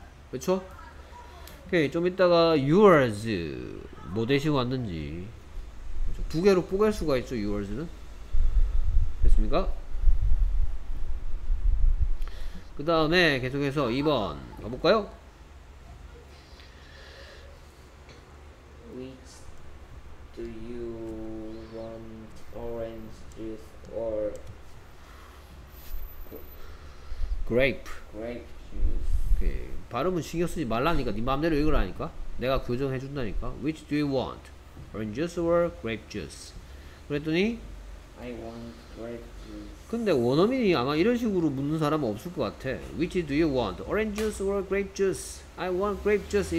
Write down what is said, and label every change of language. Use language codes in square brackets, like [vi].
[ko] 그렇죠? 오케이. 좀 이따가 yours 뭐 대신 왔는지 두 개로 뽑을 수가 있죠. yours는 됐습니까? 그 다음에 계속해서 2번 가볼까요? [en] Which do you want, orange juice or grape juice? 오케이. [ko] 발음은 신경 쓰지 말라니까. 네 마음대로 읽으라니까. 내가 교정해 준다니까. [en] Which do you want? Orange juice or grape juice? [ko] 그랬더니 [en] I want grape juice. [ko] 근데 원어민이 아마 이런 식으로 묻는 사람은 없을 것 같아. [en] Which do you want? Orange juice or grape juice? I want grape juice.